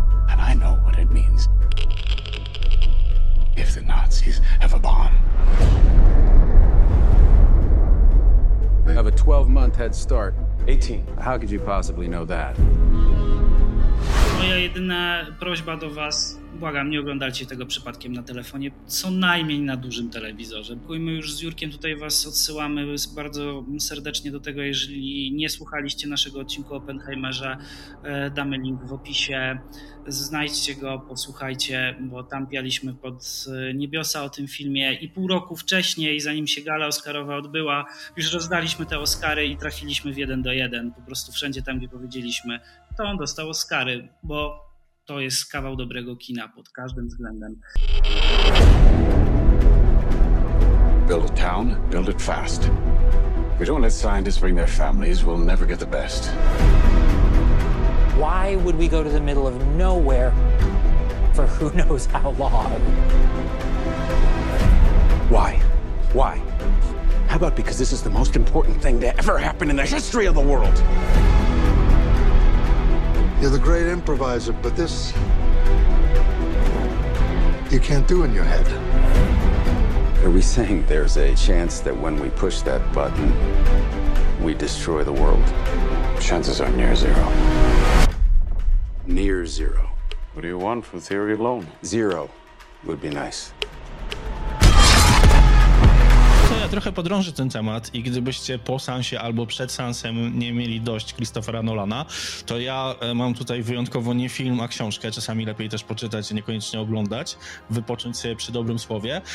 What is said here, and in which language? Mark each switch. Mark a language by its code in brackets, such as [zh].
[en] And I know what it means. If the Nazis have a bomb. They have a 12-month head start. 18. How could you possibly know that? [pl] Moja jedyna prośba do was, błagam, nie oglądajcie tego przypadkiem na telefonie, co najmniej na dużym telewizorze. My już z Jurkiem tutaj was odsyłamy bardzo serdecznie do tego, jeżeli nie słuchaliście naszego odcinku Oppenheimerze, damy link w opisie, znajdźcie go, posłuchajcie, bo tam pialiśmy pod niebiosa o tym filmie i pół roku wcześniej, zanim się gala oscarowa odbyła, już rozdaliśmy te Oscary i trafiliśmy w 1:1, po prostu wszędzie tam, gdzie powiedzieliśmy, to on dostał Oscary, bo to jest kawał dobrego kina pod każdym względem. [en] Build a town, build it fast. If we don't let scientists bring their families, we'll never get the best. Why would we go to the middle of nowhere for who knows how long? Why? Why? How about because this is the most important thing to ever happen in the history of the world? You're the great improviser, but this you can't do in your head. Are we saying there's a chance that when we push that button, we destroy the world? Chances are near zero. Near zero. What do you want from theory alone? Zero would be nice. [pl] To ja trochę podrążę ten temat i gdybyście po seansie albo przed seansem nie mieli dość Christophera Nolana, to ja mam tutaj wyjątkowo nie film, a książkę. Czasami lepiej też poczytać, niekoniecznie oglądać, wypocząć sobie przy dobrym słowie.